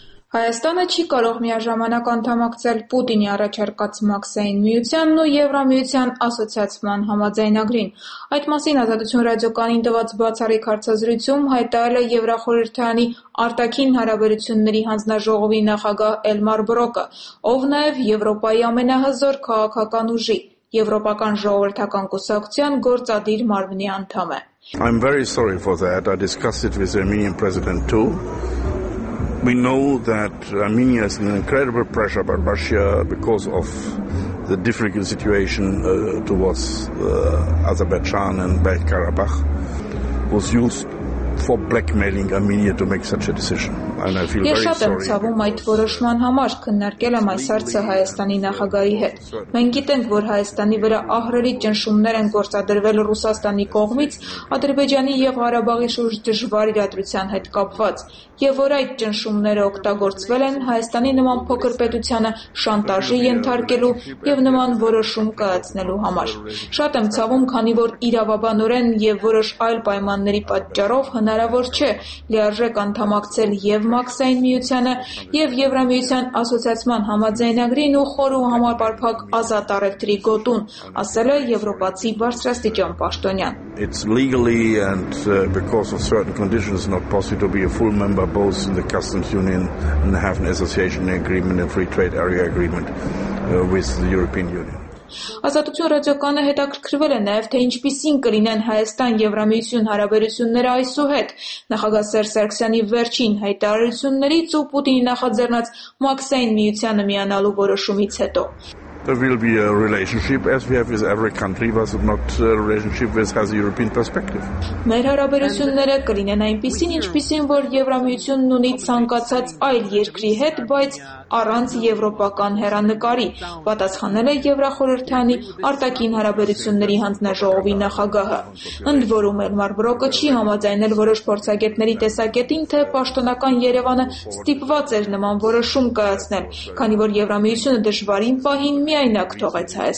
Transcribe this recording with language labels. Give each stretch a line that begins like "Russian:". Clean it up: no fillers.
Armenian: Հայաստանը չի կարող միաժամանակ անդամակցել Պուտինի առաջարկած Մաքսային միությանն ու Եվրամիության ասոցիացման համաձայնագրին։ Այդ մասին Ազատություն ռադիոկանին տված բացառիկ հարցազրույցում հայտարարել է Եվրախորհրդարանի արտաքին հարաբերությունների հանձնաժողովի նախագահ Էլմար Բրոկը, ով նաև Եվրոպայի ամենահզոր քաղաքական ուժի, Եվրոպական ժողովրդական կուսակցության գործադիր մարմնի անդամ է։
English: I'm very sorry for that. I discussed it with the Armenian president too. We know that Armenia is in incredible pressure by Russia because of the difficult situation towards Azerbaijan and Bakh-Karabakh, was used for blackmailing Armenia to make such a decision. And I feel very sorry.
Armenian: Ես ցավում եմ այդ որոշման համար, քննարկել եմ այս հարցը Հայաստանի նախագահի հետ։ Մենք գիտենք, որ Հայաստանի վրա ահռելի ճնշումներ են գործադրվել Ռուսաստանի կողմից Ադրբեջանի և Ղարաբաղի շուրջ դժվար իրադրության հետ կապված, և որ այդ ճնշումները օգտագործվել են Հայաստանի նման փոքր պետությանը շանտաժի ենթարկելու և նման որոշում կայացնելու համար։ Շատ եմ ցավում, քանի որ իրավաբանորեն և որոշ այլ պայմանների պատճառով հնարավոր չէ լիարժեք անդամակցել և Մաքսային միությանը, և Եվրամիության ասոցիացման համաձայնագրին ու խոր ու համապարփակ ազատ առևտրի գոտուն, ասել է եվրոպացի բարձրաստիճան պաշտոնյան։
English: It's legally and because of certain conditions not possible to be a full member both in the customs union and have an association agreement and free trade area agreement with the European Union.
Armenian: Ազատություն ռադիոկանը հետաքրքրվել է նաև, թե ինչպիսին կլինեն Հայաստան-Եվրամիություն հարաբերությունները այսուհետ՝ նախագահ Սերժ Սարգսյանի վերջին հայտարարություններից ու Պուտինի նախաձեռնած Մաքսային միությանը միանալու որոշումից հետո։
English: There will be a relationship as we have with every country, but not a relationship which has a European perspective.
Armenian: Մեր հարաբերությունները կլինեն այնպիսին, ինչպիսին, որ Եվրամիությունն ունի ցանկացած այլ երկրի հետ, բայց առանց եվրոպական հեռանկարի, պատասխանել է Եվրախորհրդանի արտաքին հարաբերությունների հանձնաժողովի նախագահը։ Ընդ որում Էլմար Բրոկը չի համաձայնել որոշ փորձագետների տեսակետին, թե պաշտոնական Երևանը ստիպված էր նման որոշում կայացնել, քանի որ Եվրամիությունը դժվարին պահին միայնակ թողեց